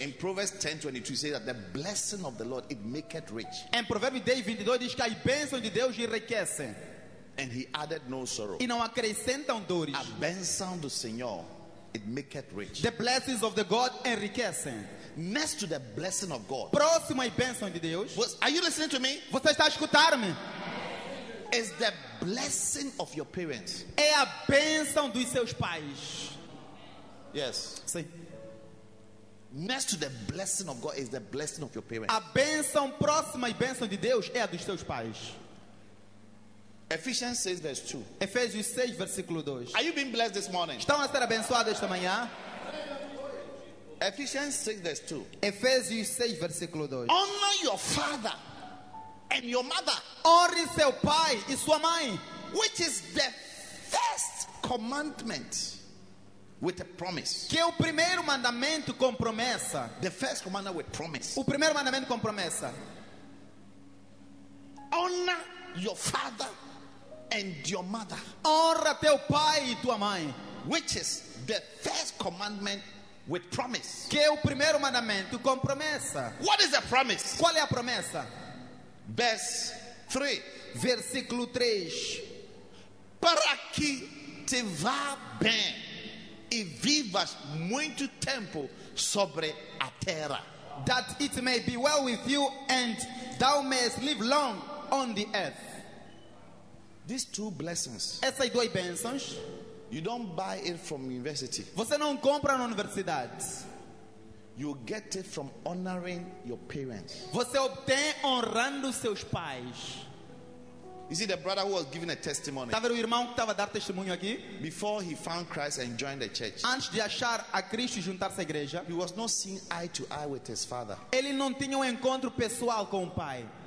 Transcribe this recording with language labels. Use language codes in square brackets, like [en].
[en] In Proverbs 10:22 says that the blessing of the Lord it maketh rich. [pt] Em Provérbios 10:22 diz que a bênção de Deus enriquece. [en] And he added no sorrow. [pt] E não acrescentam dores. A bênção do Senhor [en] it maketh rich. The blessings of the God [pt] enriquecem. [en] Next to the blessing of God. [pt] Próximo à bênção de Deus. [en] Are you listening to me? [pt] Você está a escutar-me? [en] Is the blessing of your parents. [pt] É a bênção dos seus pais. [en] Yes. [pt] Sim. [en] Next to the blessing of God is the blessing of your parents. [pt] A bênção próxima e bênção de Deus é a dos seus pais. [en] Ephesians 6 verse 2. [pt] Efésios 6 versículo 2. [en] Are you being blessed this morning? [pt] Estão a ser abençoados esta manhã? [en] Ephesians 6 verse 2. [pt] Efésios 6 versículo 2. [en] Honor your father and your mother. [pt] Honre seu pai e sua mãe, [en] which is the first commandment with a promise. [pt] Que é o primeiro mandamento com promessa. [en] The first commandment with promise. [pt] O primeiro mandamento com promessa. [en] Honor your father and your mother. [pt] Honra teu pai e tua mãe, [en] which is the first commandment with promise. [pt] Que é o primeiro mandamento com promessa. [en] What is the promise? [pt] Qual é a promessa? [en] Verse 3. [pt] Versículo 3. Para que te vá bem e vivas muito tempo sobre a terra. [en] That it may be well with you and thou mayest live long on the earth. These two blessings. [pt] Essas duas bênçãos. [en] You don't buy it from university. [pt] Você não compra na universidade. [en] You get it from honoring your parents. [pt] Você obtém honrando seus pais. [en] You see the brother who was giving a testimony. [pt] Tá vendo o irmão que estava a dar testemunho aqui? [en] Before he found Christ and joined the church. [pt] Antes de achar a Cristo e juntar-se à igreja. [en] He was not seeing eye to eye with his father. [pt] Ele não tinha um encontro pessoal com o pai.